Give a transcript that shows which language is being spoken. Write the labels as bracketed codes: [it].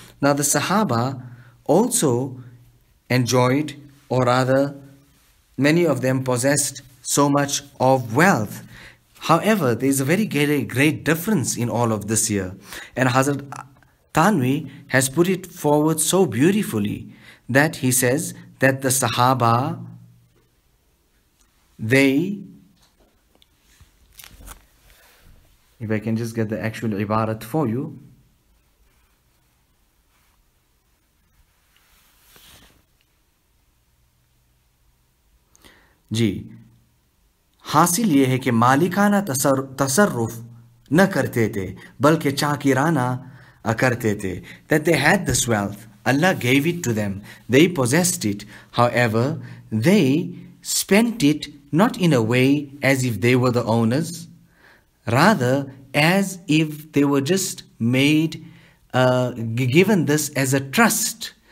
[en] Now the Sahaba also enjoyed, or rather many of them possessed so much of wealth. However, there is a very great difference in all of this year. And Hazrat Tanwi has put it forward so beautifully that he says that the Sahaba, they, if I can just get the actual ibarat for you, [ur] جی حاصل یہ ہے کہ مالکانہ تصرف نہ کرتے تھے بلکہ چاکرانہ کرتے تھے. [en] That they had this wealth, Allah gave it to them, they possessed it, however they spent it not in a way as if they were the owners, rather as if they were just made given this as a trust.